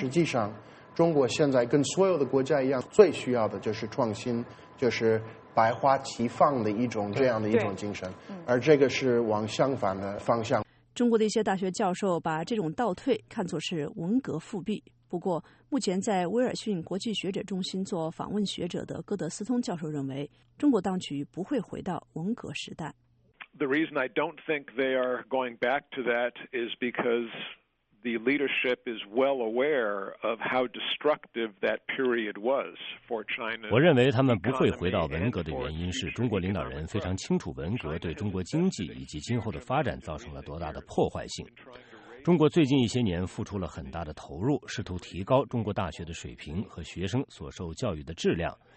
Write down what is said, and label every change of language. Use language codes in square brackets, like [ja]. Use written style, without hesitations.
[zh] 实际上中国现在跟所有的国家一样，最需要的就是创新，就是百花齐放的一种这样的一种精神，而这个是往相反的方向。中国的一些大学教授把这种倒退看作是文革复辟。不过目前在威尔逊国际学者中心做访问学者的戈德斯通教授认为，中国当局不会回到文革时代。 [en] The reason I don't think they are going back to that is because the leadership is well aware of how destructive that period was for China. [zh] 我认为他们不会回到文革的原因是，中国领导人非常清楚文革对中国经济以及今后的发展造成了多大的破坏性。中国最近一些年付出了很大的投入，试图提高中国大学的水平和学生所受教育的质量，